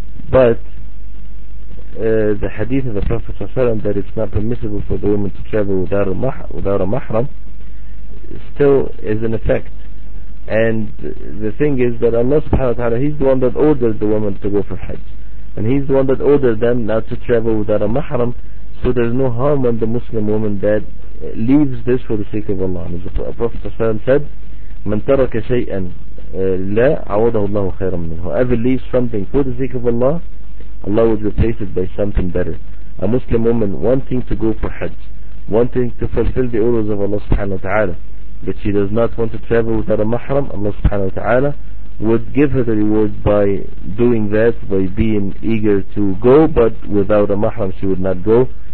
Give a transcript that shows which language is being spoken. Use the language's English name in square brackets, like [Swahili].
[English] But the hadith of the Prophet ﷺ that it's not permissible for the woman to travel without a mahram still is in effect. And the thing is that Allah subhanahu wa ta'ala, he's the one that ordered the woman to go for hajj, and he's the one that ordered them not to travel without a mahram. So there's no harm on the Muslim woman that leaves this for the sake of Allah. As the Prophet ﷺ said, [Arabic] مَن تَرَكَ شَيْئًا لَا عَوَضَهُ اللَّهُ خَيْرًا مِنْهُ. [English] Whoever leaves something for the sake of Allah, Allah would replace it by something better. A Muslim woman wanting to go for hajj, wanting to fulfill the orders of Allah subhanahu wa ta'ala, but she does not want to travel without a mahram, Allah subhanahu wa ta'ala would give her the reward by doing that, by being eager to go, but without a mahram she would not go.